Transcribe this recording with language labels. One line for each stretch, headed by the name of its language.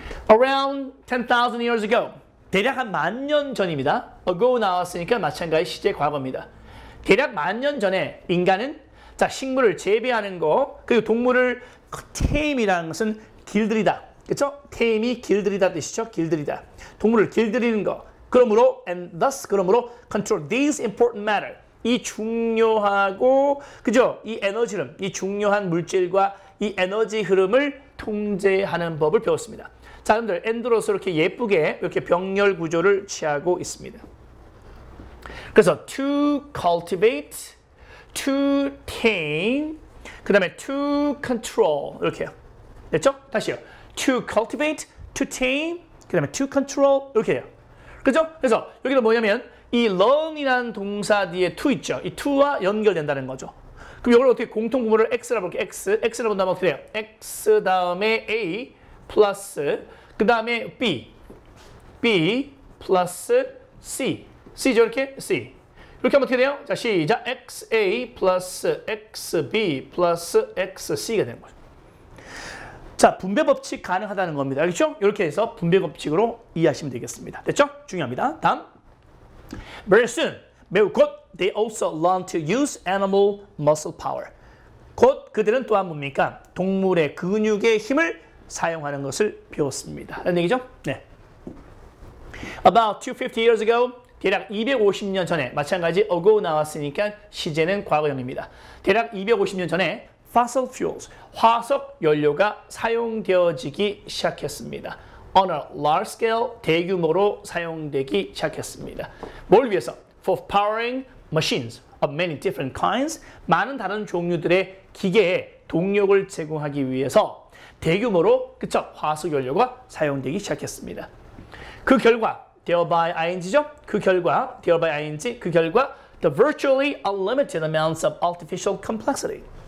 English: Around 10,000 years ago.
Korean: 대략 한 만 년 전입니다. Ago 나왔으니까 마찬가지 시제 과거입니다. 대략 만 년 전에 인간은, 자, 식물을 재배하는 거, 그리고 동물을 tame이라는 것은 길들이다. 그렇죠? tame이 길들이다 뜻이죠. 길들이다. 동물을 길들이는 거, 그러므로
English: and thus 그러므로 control these important matter
Korean: 이 중요하고 그죠? 이 에너지 흐름, 이 중요한 물질과 이 에너지 흐름을 통제하는 법을 배웠습니다. 자, 여러분들 엔드로서 이렇게 예쁘게 이렇게 병렬 구조를 취하고 있습니다.
English: 그래서 to cultivate, to tame,
Korean: 그 다음에
English: to control 이렇게요.
Korean: 됐죠? 다시요.
English: To cultivate, to tame,
Korean: 그 다음에
English: to control 이렇게요.
Korean: 그죠? 그래서 여기는 뭐냐면 이 learn이라는 동사 뒤에 to 있죠? 이 to와 연결된다는 거죠. 그럼 이걸 어떻게 공통분모를 x라 볼게요. x, x라 본다면 어떻게 돼요? x 다음에 a 플러스 그 다음에 b, b 플러스 c, c죠 이렇게? c 이렇게 하면 어떻게 돼요? 자 시작! xa 플러스 xb 플러스 xc가 되는 거죠. 자 분배 법칙 가능하다는 겁니다. 알겠죠? 이렇게 해서 분배 법칙으로 이해하시면 되겠습니다. 됐죠? 중요합니다. 다음!
English: Very soon,
Korean: 매우 곧,
English: they also learn to use animal muscle power.
Korean: 곧 그들은 또한 뭡니까? 동물의 근육의 힘을 사용하는 것을 배웠습니다. 라는 얘기죠? 네.
English: About 250 years ago,
Korean: 대략 250년 전에, 마찬가지 ago 나왔으니까 시제는 과거형입니다. 대략 250년 전에 fossil fuels, 화석 연료가 사용되어지기 시작했습니다.
English: On a large scale,
Korean: 대규모로 사용되기 시작했습니다. 뭘 위해서?
English: For powering machines of many different kinds,
Korean: 많은 다른 종류들의 기계에 동력을 제공하기 위해서 대규모로, 그쵸? 화석 연료가 사용되기 시작했습니다. 그 결과, thereby ing죠? 그 결과,
English: thereby ing, 그 결과, the virtually unlimited amounts of artificial complexity.